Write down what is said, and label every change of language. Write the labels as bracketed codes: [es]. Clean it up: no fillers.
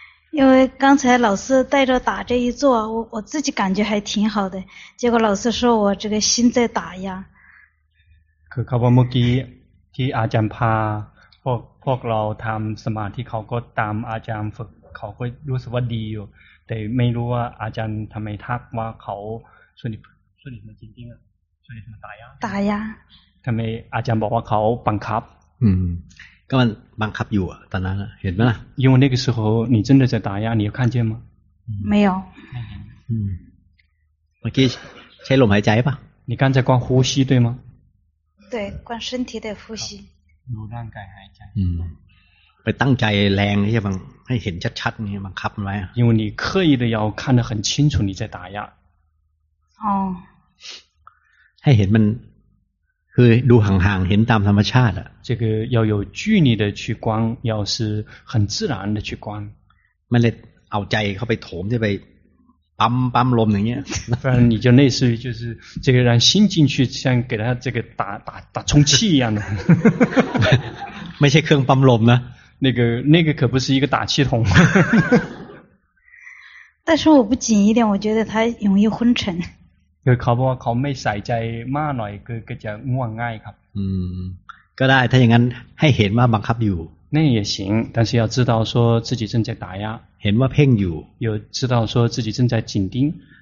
[zh] 因为刚才老师带着打这一坐我自己感觉还挺好的结果老师说我这个心在打压 [th] คือเขาบอกเมื่อกี้ที่อาจารย์พาพวกเราทำสมาธิเขาก็ตามอาจารย์ฝึกเขาก็รู้สึกว่าดีอยู่แต่ไม่รู้ว่าอาจารย์ทำไมทักว่าเขาส่วนนี้มันจริงๆอ่ะส่วนนี้มันตายะทำไมอาจารย์บอกว่าเขาบังคับ ก็มันบังคับอยู่อ่ะตอนนั้นเห็นไห [zh] ม因为那个时候你真的在打压你有看见吗没有 [th] เมื่อกี้ใช้ลมหายใจป่ะ [zh] 你刚才光呼吸对吗对光身体的呼吸 [th] รู้ร่างกายหายใจ ไปตั้งใจแรงใช่ไหมให้เห็นชัดๆนี่บังคับไว้ [zh] 因为你刻意的要看得很清楚你在打压哦 [th] ให้เห็นมันคือดูห่างๆเห็นตามธรรมชาติอ่ะ [zh] 这个要有距离的去观要是很自然的去观 [th] ไม่ได้เอาใจเข้าไปโถมไปปั๊มปั๊มลมอย่างเงี้ย [zh] 不然你就类似于就是这个让心进去像给他这个打充气一样的 [th] ไม่ใช่เครื่องปั๊มลมนะ [zh] 那个可不是一个打气筒但是我不紧一点我觉得他容易昏沉 [th] คือเขาบอกว่าเขาไม่ใส่ใจมากหน่อยก็จะง่วงง่ายครับ ก็ได้ถ้าอย่างนั้นให้เห็นว่าบังคับอยู่ [zh] 那也行，但是要知道说自己正在打压。 [th] เห็นว่าเพ่งอยู่ [zh] 有知道说自己正在紧盯。